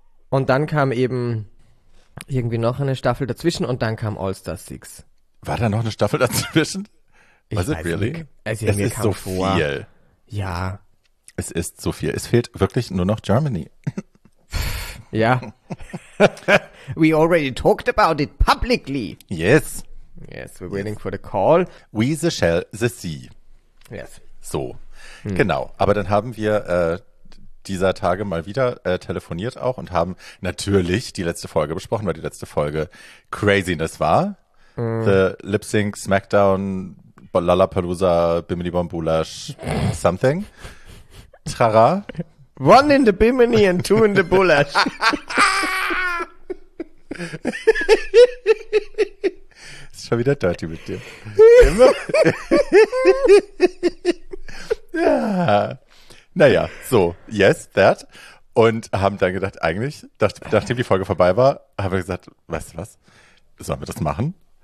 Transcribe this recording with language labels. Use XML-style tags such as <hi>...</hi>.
<de>Und dann kam eben irgendwie noch eine Staffel dazwischen und dann kam All Star 6. War da noch eine Staffel dazwischen?</de> <en>Was it really?</en> <de>Also, es ist so viel. Ja. Es ist so viel. Es fehlt wirklich nur noch Germany. Ja.</de> <en>We already talked about it publicly. Yes. Yes, we're waiting for the call. We the shall the see. Yes.</en> <de>So, genau. Aber dann haben wir dieser Tage mal wieder telefoniert auch und haben natürlich die letzte Folge besprochen, weil die letzte Folge Craziness war.</de> <en>The Lip Sync, Smackdown, Lollapalooza, Bimini Bombulash, something. Trara. One in the Bimini and two in the Bullet.</en> <de>Ist schon wieder</de> <en>dirty</en> <de>mit dir. Immer. Ja. Naja, so,</de> <en>yes, that.</en> <de>Und haben dann gedacht, eigentlich, nachdem die Folge vorbei war, haben wir gesagt, weißt du was, sollen wir das machen?</de>